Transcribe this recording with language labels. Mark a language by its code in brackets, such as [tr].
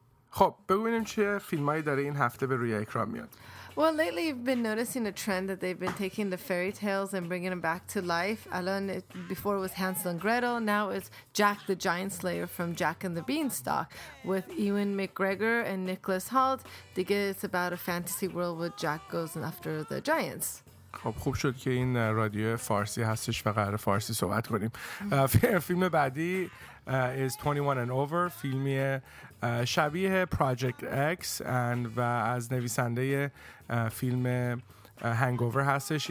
[fa] خب ببینیم چه فیلمایی داره این هفته به روی اکران میاد. [en] Well, lately you've been noticing a trend that they've been taking the fairy tales and bringing them back to life. Alan, before it was Hansel and Gretel, now it's Jack the Giant Slayer from Jack and the Beanstalk with Ewan McGregor and Nicholas Hoult. دیگه it's about a fantasy world where Jack goes after the giants. [fa] خب خوب شد که این رادیو فارسی هستش و قرار فارسی صحبت کنیم. فیلم بعدی is 21 and Over، فیلمی شبیه Project X and و از نویسنده فیلم Hangover هستش.